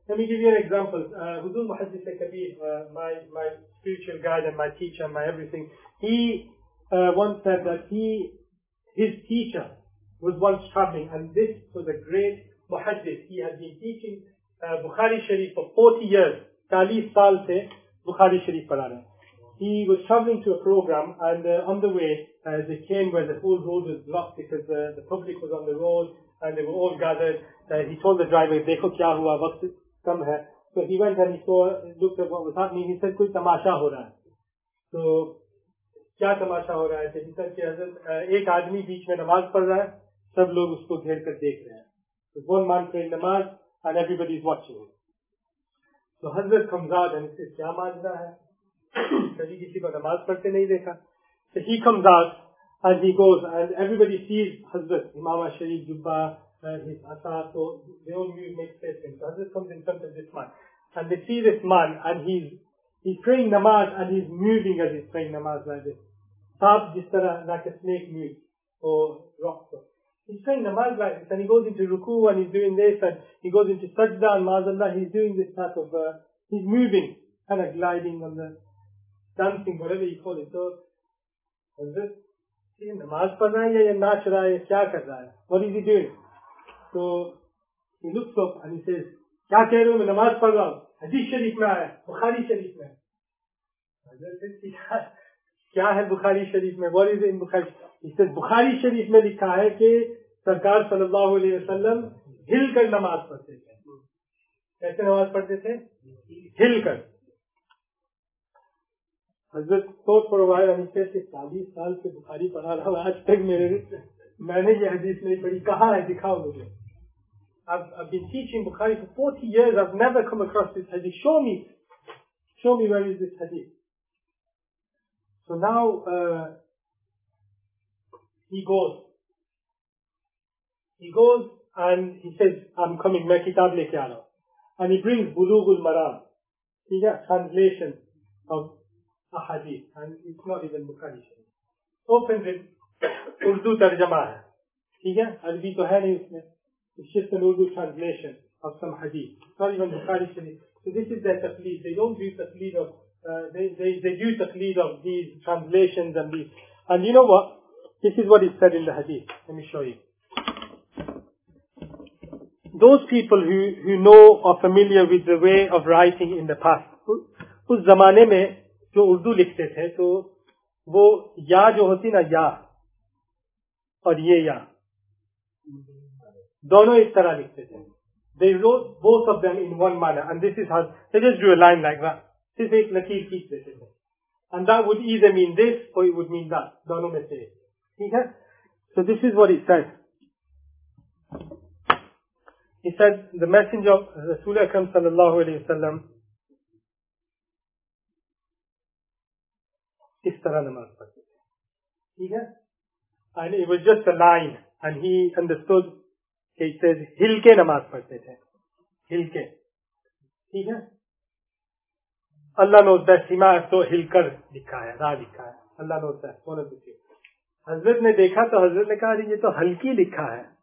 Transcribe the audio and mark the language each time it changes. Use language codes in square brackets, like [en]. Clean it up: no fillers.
[en] Let me give you an example. Huzur Muhaddis al-Kabir, my spiritual guide and my teacher and my everything, he once said that his teacher was once traveling, and this was a great muhaddith. He had been teaching Bukhari Sharif for 40 years. [ur] 40 سال سے بخاری شریف پڑھا رہا۔ [en] He was traveling to a program, and on the way, they came where the whole road was blocked because the public was on the road, and they were all gathered. He told the driver, [ur] "دیکھو کیا ہوا، وقت کم ہے۔" [en] So he went and looked at what was happening. [ur] He said, "کوئی تماشا ہو رہا." So, کیا تماشا ہو رہا ہے? He said, "کہ حضرت, ایک آدمی بیچ میں نماز پڑھ رہا ہے. سب لوگ اسکو گھیر کر دیکھ رہے ہیں. [en] There's one man praying namaz and everybody is watching him." So Hazrat comes out and he says, [ur] "Kya majra hai? کبھی کسی کو نماز پڑھتے نہیں دیکھا." [en] So he comes out and he goes, and everybody sees Hazrat, Imam Sharif, Jubba, his asa, so they all make space for him. So Hazrat comes in front of this man. And they see this man, and he's praying namaz and he's moving as he's praying namaz like this. [ur] صاب جس طرح, [en] like a snake moves or rocks. He's praying namaz like this, and he goes into ruku and he's doing this, and he goes into sajda and mazallah, he's doing this type of, he's moving, kind of gliding on the dancing, whatever you call it. So, is he [ur] نماز پڑھ رہا ہے, یا ناچ رہا ہے, کیا کر رہا ہے? [en] What is he doing? So, he looks up and he says, [ur] "کیا کہہ رہا ہوں, میں نماز پڑھ رہا ہوں, حدیث شریف میں آیا, بخاری شریف میں." [en] Hazrat says, [ur] "کیا ہے بخاری شریف میں, [en] what is it in Bukhari?" [ur] He says, "بخاری شریف میں لکھا ہے کے سرکار صلی اللہ علیہ وسلم ہل کر نماز پڑھتے تھے." کیسے نماز پڑھتے تھے? ہل کر. [en] Hazrat thought for a while and he says, [ur] "کہ 40 سال سے بخاری پڑھا رہا ہوں, آج تک میں نے یہ حدیث نہیں پڑھی, کہاں ہے, دکھاؤ مجھے. [en] I've been teaching Bukhari for 40 years, I've never come across this hadith, show me where is this hadith." So now, He goes and he says, "I'm coming, [ur] main kitab leke aa raha." [en] And he brings Bulughul Maram. He got translation of a hadith, and it's not even Bukhari. [ur] Opens it, Urdu ترجمہ ہے. عربی تو ہے نہیں اسمے. [en] It's just an Urdu translation of some hadith. It's not even Bukhari. So this is their taqleed. They don't do taqleed of, they do taqleed of these translations and these. And you know what? This is what is said in the hadith. Let me show you. Those people who know or familiar with the way of writing in the past, [ur] اس زمانے میں جو اردو لکھتے تھے, تو وہ یا جو ہوتی نا یا, اور یہ یا, دونوں اس طرح لکھتے تھے. [en] They wrote both of them in one manner, and this is how they just drew a line like that. This is [ur] لکیر کی [en] this. And that would either mean this or it would mean that. [ur] دونوں میں سے. [en] So this is what it says. He said, the messenger of [ur] رسول اکرم صلی اللہ علیہ وسلم اس طرح نماز پڑھتے. [en] And it was just a line. And he understood, he says, [ur] hilke namaz padte. Hilke. [en] Allah knows that. Sima has to [ur] hilkar likha hai, ra likha hai. [en] Allah knows that. One of the two. [ur] حضرت نے دیکھا, تو حضرت نے کہا, یہ تو ہلکی لکھا ہے.